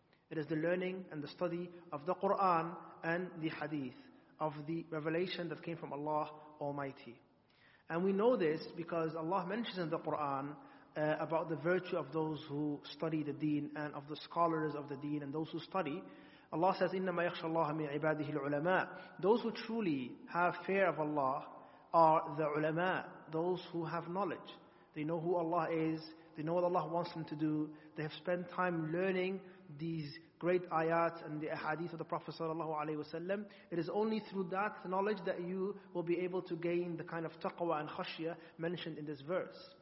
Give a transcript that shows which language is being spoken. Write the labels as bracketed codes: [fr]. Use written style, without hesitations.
[en] It is the learning and the study of the Quran and the Hadith, of the revelation that came from Allah Almighty. And we know this because Allah mentions in the Quran about the virtue of those who study the deen and of the scholars of the deen and those who study. Allah says, [ar] إِنَّمَا يَخْشَ اللَّهَ مِنْ عِبَادِهِ الْعُلَمَاءِ. [en] Those who truly have fear of Allah are the ulama, those who have knowledge. They know who Allah is, they know what Allah wants them to do, they have spent time learning these great ayats and the ahadith of the Prophet sallallahu alaihi wasallam. It is only through that knowledge that you will be able to gain the kind of taqwa and khashya mentioned in this verse.